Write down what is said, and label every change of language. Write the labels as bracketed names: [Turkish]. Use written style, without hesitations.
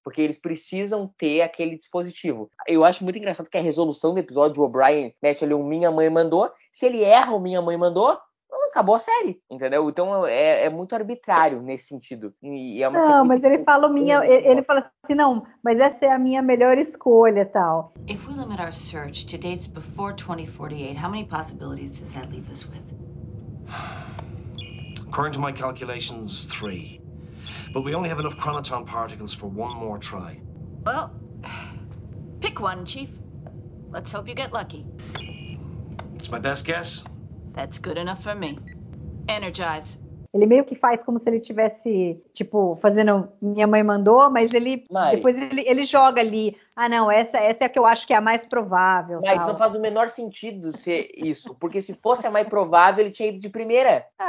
[Portuguese] Porque eles precisam ter aquele dispositivo. Eu acho muito engraçado que a resolução do episódio, o O'Brien mete ali um Minha Mãe Mandou. Se ele erra o Minha Mãe Mandou, acabou a série, entendeu? Então é muito arbitrário nesse sentido. E é uma não, mas ele fala o Minha... Ele fala assim, não, mas essa é a minha melhor escolha e tal. Se nós limitarmos nossa [English] search a dates before 2048, how many possibilities does that leave us with? According to my calculations, 3. But we only have enough chronoton particles for one more try. Well, pick one, Chief. Let's hope you get lucky. It's my best guess. That's good enough for me. Energize. [Portuguese] Ele meio que faz como se ele tivesse, tipo, fazendo Minha Mãe Mandou, mas ele... Mãe. Depois ele joga ali Ah, não, essa é a que eu acho que é a mais provável. Mas não faz o menor sentido ser isso, porque se fosse a mais provável, ele tinha ido de primeira.